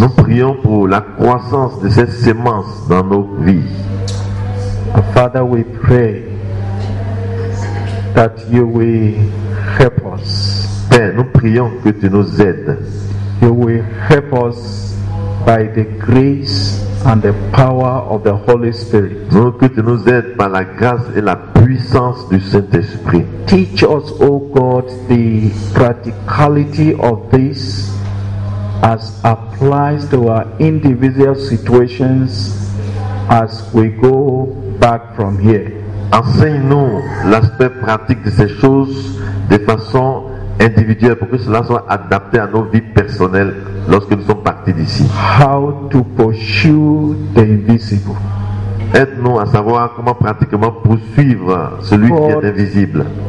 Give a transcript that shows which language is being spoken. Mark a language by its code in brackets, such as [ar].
[fr] Nous prions pour la croissance de cette semence dans nos vies. [en] Father, we pray that you will help us. [fr] Père, nous prions que tu nous aides. [en] You will help us by the grace and the power of the Holy Spirit. [fr] Donc, que tu nous aides par la grâce et la puissance du Saint-Esprit. [en] Teach us, O God, the practicality of this as applies to our individual situations as we go back from here. [fr] Enseigne-nous l'aspect pratique de ces choses de façon individuelle pour que cela soit adapté à nos vies personnelles lorsque nous sommes partis d'ici. [en] How to pursue the invisible. [fr] Aide-nous à savoir comment pratiquement poursuivre celui qui est invisible.